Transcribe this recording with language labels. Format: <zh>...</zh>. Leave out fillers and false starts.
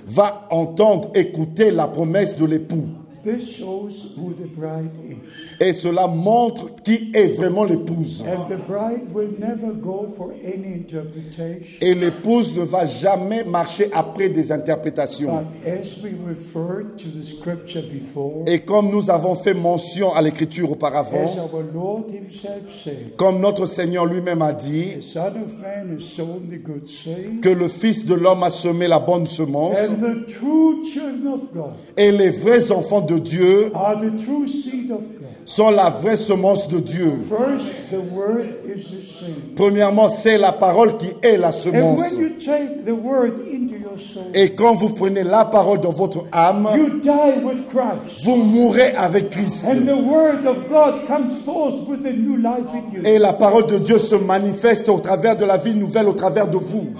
<fr>Va entendre, écouter la promesse de l'époux.</fr> <en>This shows who the bride is.</en> <fr>Et cela montre qui est vraiment l'épouse.</fr> <en>And the bride will never go for any interpretation.</en> <fr>Et l'épouse ne va jamais marcher après des interprétations.</fr> <en>But as we referred to the scripture before,</en> <fr>et comme nous avons fait mention à l'écriture auparavant,</fr> <en>as our Lord himself said,</en> <fr>comme notre Seigneur lui-même a dit,</fr> <en>the son of man has sown the good seed,</en> <fr>que le Fils de l'homme a semé la bonne semence,</fr> <en>and the true children of God,</en> <fr>et les vrais enfants de Dieu</fr> <en>are the true seed of God.</en> <fr>Sont la vraie semence de Dieu.</fr> <en>First, the word is the seed.</en> <fr>Premièrement, c'est la parole qui est la semence.</fr> <en>And when you take the word into your soul,</en> <fr>et quand vous prenez la parole dans votre âme,</fr> <en>you die with Christ.</en> <fr>Vous mourrez avec Christ.</fr> <en>And the word of God comes forth with a new life in you.</en> <fr>Et la parole de Dieu se manifeste au travers de la vie nouvelle, au travers de vous.</fr>